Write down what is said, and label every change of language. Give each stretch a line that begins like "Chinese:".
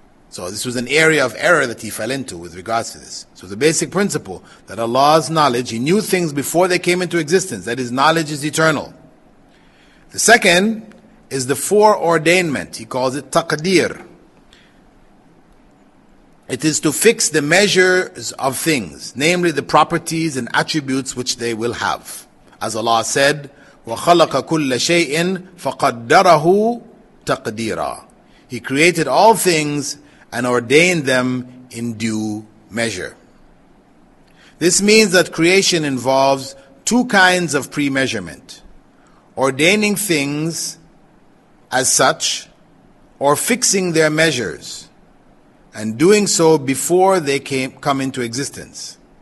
English: So this was an area of error that he fell into with regards to this. So the basic principle that Allah's knowledge, He knew things before they came into existence, that His knowledge is eternal. The second is the foreordainment. He calls it taqdeer. It is to fix the measures of things, namely the properties and attributes which they will have. As Allah said,
Arabic: وَخَلَقَ كُلَّ شَيْءٍ فَقَدَّرَهُ تَقْدِيرًا.
English: He created all things and ordained them in due measure. This means that creation involves two kinds of pre-measurement: ordaining things as such, or fixing their measures, and doing so before they come into existence.